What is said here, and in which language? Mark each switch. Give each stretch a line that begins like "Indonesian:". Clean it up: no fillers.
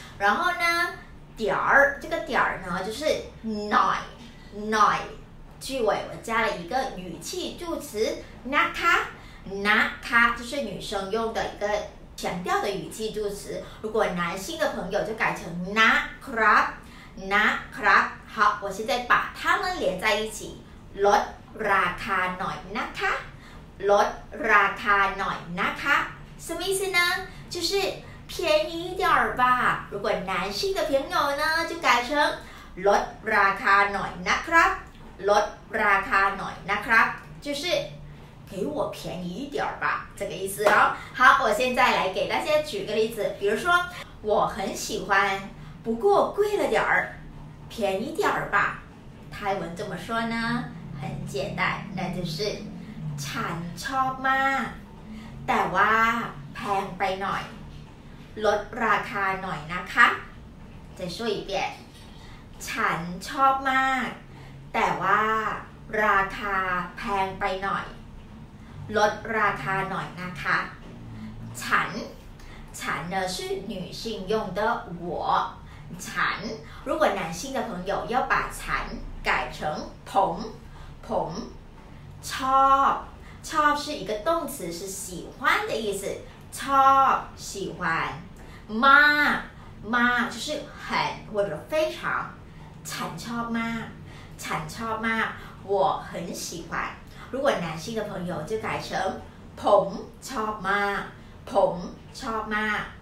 Chinese: 然后呢，点儿这个点儿呢就是หน่อย หน่อย句尾我加了一个语气助词นะคะ นะคะ就是女生用的一个强调的语气助词，如果男性的朋友就改成นะครับนะครับ好，我现在把它们连在一起，
Thai: ลดราคาหน่อยนะคะ，ลดราคาหน่อยนะคะ，
Chinese: 什么意思呢？就是便宜一点儿吧。如果男性的朋友呢，就改成
Thai: ลดราคาหน่อยนะครับ，ลดราคาหน่อยนะครับ，
Chinese: 就是给我便宜一点儿吧，这个意思哦。好，我现在来给大家举个例子，比如说我很喜欢。不过贵了点儿，便宜点儿吧。泰文怎么说呢？很简单，那就是
Thai: ฉันชอบมาก，แต่ว่าแพงไปหน่อย，ลดราคาหน่อยนะคะ。
Chinese: 再说一遍，
Thai: ฉันชอบมาก，แต่ว่าราคาแพงไปหน่อย，ลดราคาหน่อยนะคะ。
Chinese: ฉัน，ฉัน呢是女性用的我。 ฉัน如果男性的朋友要把ฉัน改成ผมชอบชอบ是一个动词是喜欢的意思ชอบ喜欢มากมาก就是很或者非常
Thai: ฉันชอบมากฉันชอบมาก
Chinese: 我很喜欢如果男性的朋友就改成
Thai: ผมชอบมากผมชอบมาก